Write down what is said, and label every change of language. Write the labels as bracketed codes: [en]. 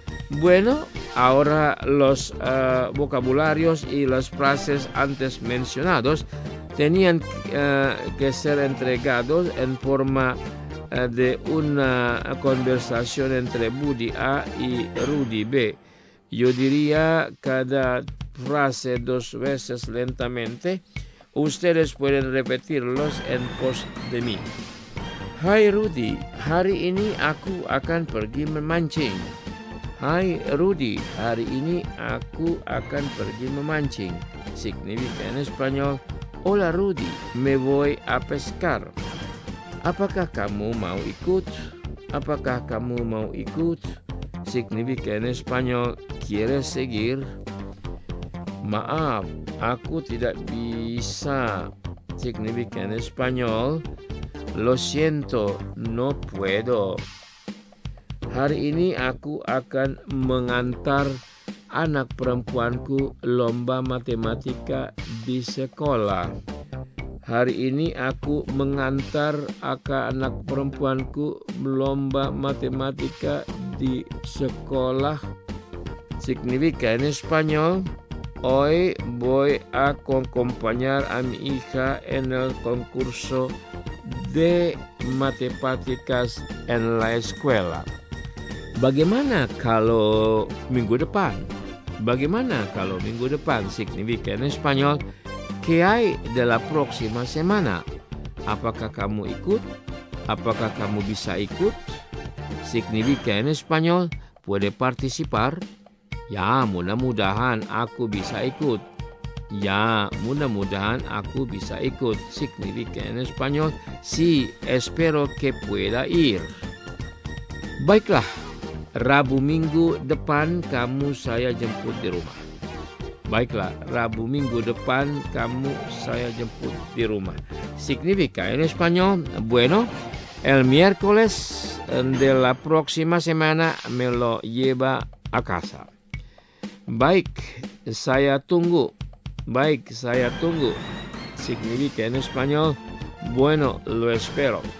[es] Bueno, ahora los vocabularios y las frases antes mencionados tenían que ser entregados en forma de una conversación entre Buddy A y Rudy B. Yo diría cada frase dos veces lentamente. Ustedes pueden repetirlos en pos de mí. [id] Hi Rudy, hari ini aku akan pergi memancing. Hi Rudy, hari ini aku akan pergi memancing. [es] Significa en español, hola Rudy, me voy a pescar. [id] Apakah kamu mau ikut? Apakah kamu mau ikut? [es] Significa en español, ¿quieres seguir? [id] Maaf, aku tidak bisa. [es] Significa en español, lo siento, no puedo. [id] Hari ini aku akan mengantar anak perempuanku lomba matematika di sekolah. Hari ini aku mengantar anak perempuanku lomba matematika di sekolah. [es] Significa en español, hoy voy a acompañar a mi hija en el concurso de matemáticas en la escuela. [id] Bagaimana kalau minggu depan? Bagaimana kalau minggu depan? [es] Significa en español, ¿qué hay de la próxima semana? [id] Apakah kamu ikut? Apakah kamu bisa ikut? [es] Significa en español, ¿puede participar? [id] Ya, mudah-mudahan aku bisa ikut. Ya, mudah-mudahan aku bisa ikut. [es] Significa en español, sí, espero que pueda ir. [id] Baiklah, Rabu minggu depan kamu saya jemput di rumah. Baiklah, Rabu minggu depan kamu saya jemput di rumah. [es] Significa en español, bueno, el miércoles de la próxima semana me lo lleva a casa. [id] Baik, saya tunggu. Baik, saya tunggu. [es] Significa en español, bueno, lo espero.